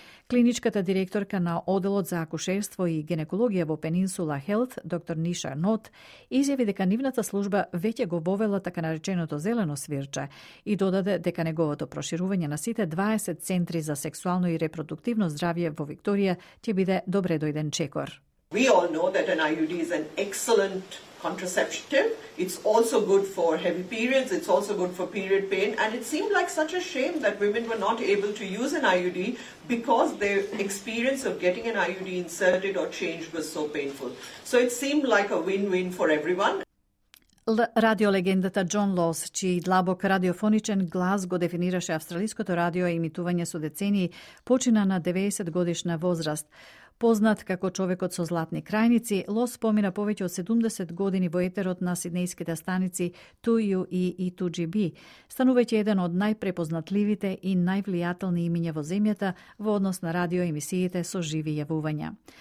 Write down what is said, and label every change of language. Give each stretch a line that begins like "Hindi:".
Macedonian: Клиничката директорка на Оделот за акушерство и гинекологија во Пенинсула Хелт, доктор Ниша Нот, изјави дека нивната служба веќе го вовела така нареченото зелено свирче и додаде дека неговото проширување на сите 20 центри за сексуално и репродуктивно здравје во Викторија ќе биде добре дојден чекор.
English: We all know that an IUD is an excellent contraceptive. It's also good for heavy periods, it's also good for period pain, and it seemed like such a shame that women were not able to use an IUD because their experience of getting an IUD inserted or changed was so painful. So it seemed like a win-win for everyone.
Macedonian: Радиолегендата Джон Лос, чиј длабок радиофоничен глас го дефинираше австралиското радио и имитување со децении, почина на 90 годишна возраст. Познат како човекот со златни крајници, Лос помина повеќе од 70 години во етерот на сиднејските станици 2UE и 2GB, станувајќи еден од најпрепознатливите и највлијателни имиња во земјата во однос на радио емисиите со живи јавувања.